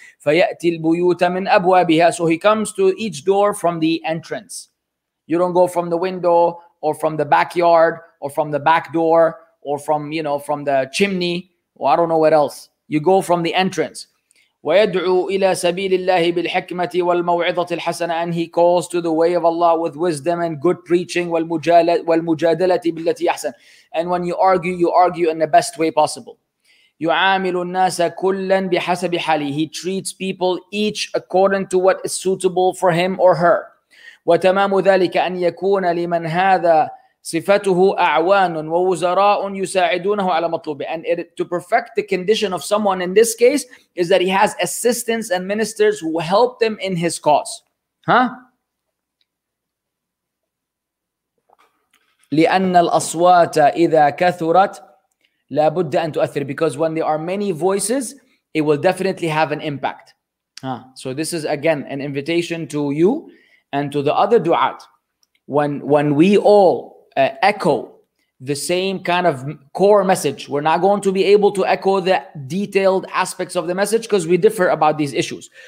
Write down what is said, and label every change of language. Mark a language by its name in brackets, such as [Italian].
[Arabic] فيأتي البيوت من أبوابها. [English] So he comes to each door from the entrance. You don't go from the window or from the backyard or from the back door or from, you know, from the chimney. Well, I don't know what else. You go from the entrance. [Arabic] ويدعو إلى سبيل الله بالحكمة والموعظة الحسنة. [English] And he calls to the way of Allah with wisdom and good preaching [Arabic] والمجادلة بالتي أحسن. [English] And when you argue, you argue in the best way possible. [Arabic] يعامل الناس كلا بحسب حاله. [English] He treats people each according to what is suitable for him or her. [Arabic] وتمام ذلك أن يكون لمن هذا صفته أعوان ووزراء يساعدونه على مطلوبه. [English] And it, to perfect the condition of someone in this case is that he has assistants and ministers who help them in his cause. Huh? [Arabic] لأن الأصوات إذا كثرت لابد أن تؤثر. [English] Because when there are many voices, it will definitely have an impact. Huh? So this is again an invitation to you and to the other du'at. When we all echo the same kind of core message, we're not going to be able to echo the detailed aspects of the message because we differ about these issues.